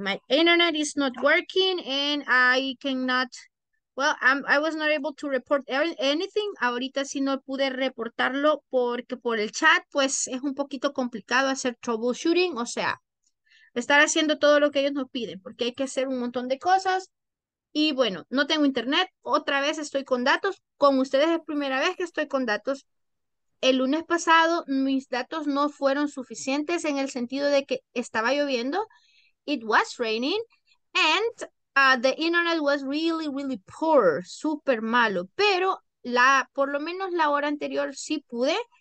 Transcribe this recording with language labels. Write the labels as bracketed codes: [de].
[en] My internet is not working and I cannot, well, I was not able to report anything. [es] Ahorita sí no pude reportarlo porque por el chat, pues es un poquito complicado hacer troubleshooting, o sea, estar haciendo todo lo que ellos nos piden, porque hay que hacer un montón de cosas. Y bueno, no tengo internet. Otra vez estoy con datos. Con ustedes es la primera vez que estoy con datos. El lunes pasado mis datos no fueron suficientes en el sentido de que estaba lloviendo. [en] It was raining and the internet was really, really poor, [es] súper malo. Pero por lo menos la hora anterior sí pude.